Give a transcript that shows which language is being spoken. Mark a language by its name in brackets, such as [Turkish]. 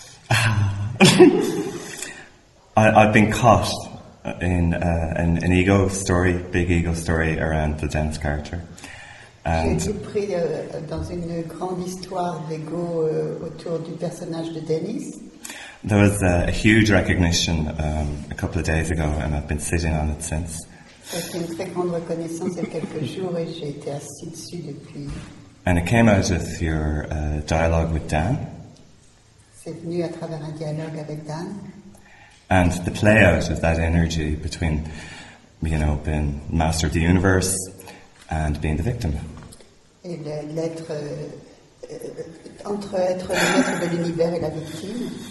[English] I've been caught in an ego story, big ego story around the dance character. [French] J'ai été pris dans une grande histoire d'ego autour du personnage de Dennis. [English] There was a huge recognition a couple of days ago, and I've been sitting on it since. [French] C'était une très grande reconnaissance il y a quelques jours, et j'ai été assis dessus depuis. [English] And it came out with your dialogue with Dan. [French] C'est venu à travers un dialogue avec Dan. [English] And the play out of that energy between, you know, being master of the universe and being the victim. [French] Et l'être entre être le maître de l'univers et la victime.